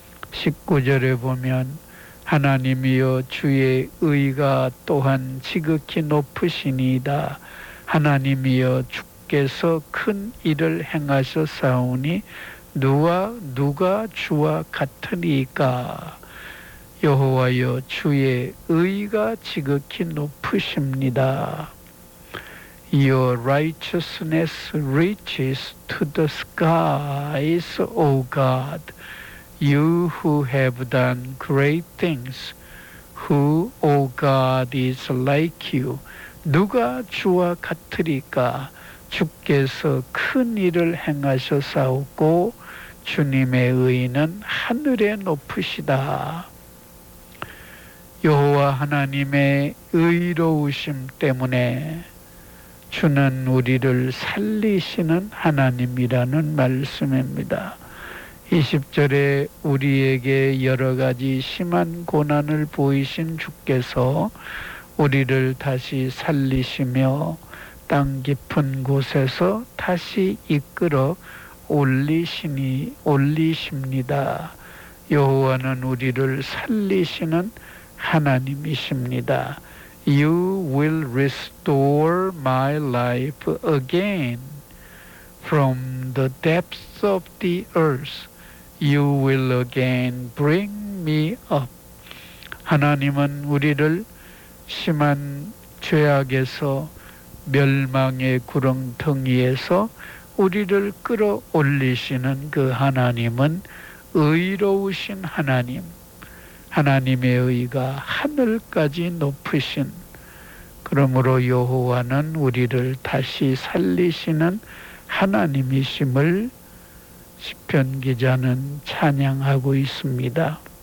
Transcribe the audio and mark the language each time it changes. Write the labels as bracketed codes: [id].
[ko] 19절에 보면 하나님이여 주의 의가 또한 지극히 높으시니이다. 하나님이여 주께서 큰 일을 행하셨사오니 누가 주와 같으리까. 여호와여 주의 의가 지극히 높으십니다. [en] Your righteousness reaches to the skies, O God. You who have done great things, who, O God, is like you. [ko] 누가 주와 같으리까. 주께서 큰 일을 행하셨사오고 주님의 의는 하늘에 높으시다. 여호와 하나님의 의로우심 때문에 주는 우리를 살리시는 하나님이라는 말씀입니다. 20절에 우리에게 여러 가지 심한 고난을 보이신 주께서 우리를 다시 살리시며 땅 깊은 곳에서 다시 이끌어 올리십니다. 여호와는 우리를 살리시는 하나님이십니다. [en] You will restore my life again from the depths of the earth. You will again bring me up. [ko] 하나님은 우리를 심한 죄악에서 멸망의 구렁텅이에서 우리를 끌어올리시는 그 하나님은 의로우신 하나님, 하나님의 의가 하늘까지 높으신, 그러므로 여호와는 우리를 다시 살리시는 하나님이심을 시편 기자는 찬양하고 있습니다.